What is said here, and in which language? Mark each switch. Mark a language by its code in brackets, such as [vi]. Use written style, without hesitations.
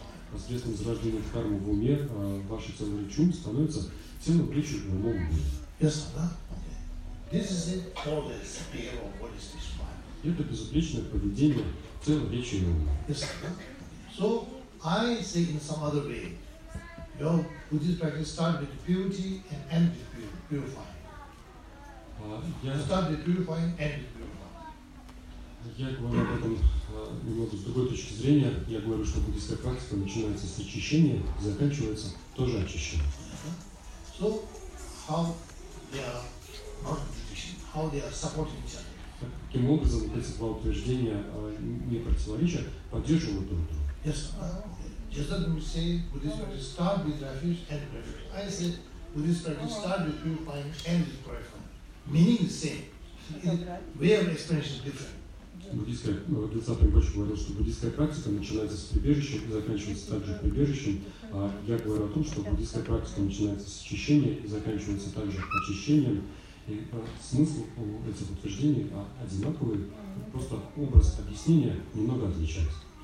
[ru] Посредством зарождения кармы в уме, ваше тело, речи и ум становится телом, речи и умом. [en] Yes, sir. This is it for the sphere of body, speech, mind. [ru] Это безупречное поведение тела, речи и ума. [en] Yes. So I say in some other way, your Buddhist practice start with purity and end with purifying. [ru] Я говорю об этом немного с другой точки зрения. Я говорю, что буддийская практика начинается с очищения, заканчивается тоже очищением. [en] So how they are not tradition, how they are supporting each other. [ru] Таким образом, эти два утверждения не противоречат, поддерживают друг друга. [en] Yes, just as we say, Buddhist practice start with refuge and purifying. I said, Buddhist practice start with purifying and with purifying. Meaning the same. Way of explanation is different. [ru] Гилса Примпочи говорил, что буддийская практика начинается с прибежища и заканчивается также прибежищем. А я говорю о том, что буддийская практика начинается с очищения и заканчивается также очищением. И смысл у этих утверждений одинаковый, просто образ объяснения немного отличается.